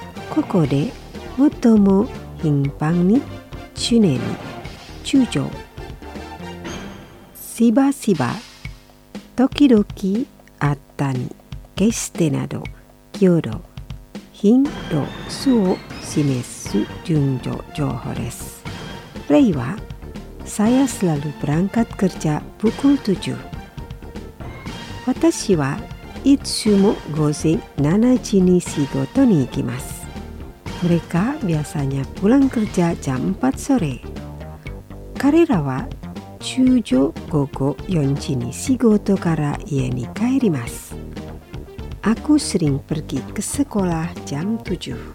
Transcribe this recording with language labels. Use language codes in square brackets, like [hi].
[ja] ここで最も頻繁に常に通常しばしば時々あったに決してなど強度頻度数を示す順序情報です。例は、 [id] Saya selalu berangkat kerja pukul 7. [ja] 私はいつも午前7時に仕事に行きます。 [id] Mereka biasanya pulang kerja jam 4 sore. [ja] 彼らは通常午後4時に仕事から家に帰ります。 [id] Aku sering pergi ke sekolah jam 7.